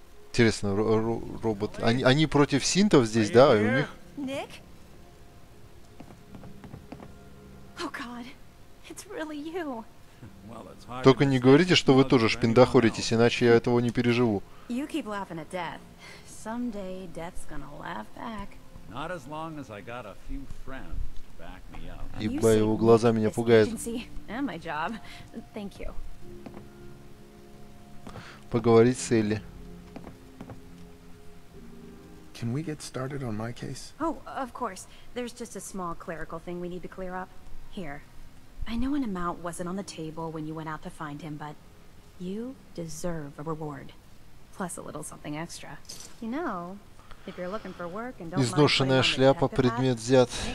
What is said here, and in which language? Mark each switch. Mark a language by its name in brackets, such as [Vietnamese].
[Russian] Интересно, робот. Они против синтов здесь, да? И у них? Ник? [English] О, God. It's really you. [Russian] Только не говорите, что вы тоже шпиндохоритесь, иначе я этого не переживу. [English] You keep laughing at death. Someday death's gonna laugh back. Not as long as I got a few friends. [Russian] Ибо его глаза меня пугают. Поговорить с Элли. [English] Can we get started on my case? Oh, of course. There's just a small clerical thing we need to clear up. Here. I know an amount wasn't on the table when you went out to find him, but you deserve a reward. Plus a little something extra. You know, if you're looking for work and don't mind... [Russian] Изношенная шляпа, предмет взят.